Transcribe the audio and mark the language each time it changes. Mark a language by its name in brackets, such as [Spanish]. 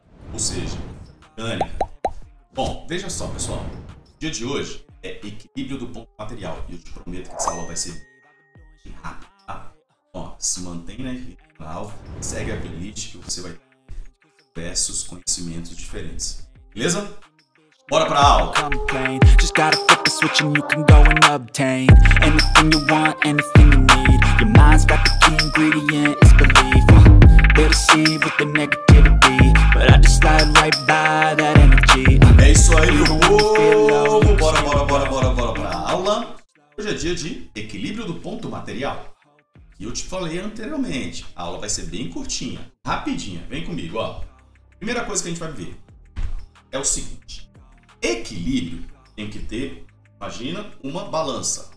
[Portuguese] Ou seja, mecânica. Bom, veja só, pessoal. O dia de hoje é equilíbrio do ponto material. E eu te prometo que essa aula vai ser rápido, tá? Ó, se mantém na canal, segue a playlist que você vai ter diversos conhecimentos diferentes. Beleza? Bora pra aula! [English] Just gotta flip the switch and you can go and obtain anything you want, anything you need. Your mind's got the key ingredient, it's belief. They deceive with the negativity, but I just slide right by that energy. [Portuguese] É isso aí, bora pra aula! Hoje é dia de equilíbrio do ponto material. E eu te falei anteriormente, a aula vai ser bem curtinha, rapidinha. Vem comigo, ó. Primeira coisa que a gente vai ver é o seguinte. Equilíbrio tem que ter, imagina, uma balança.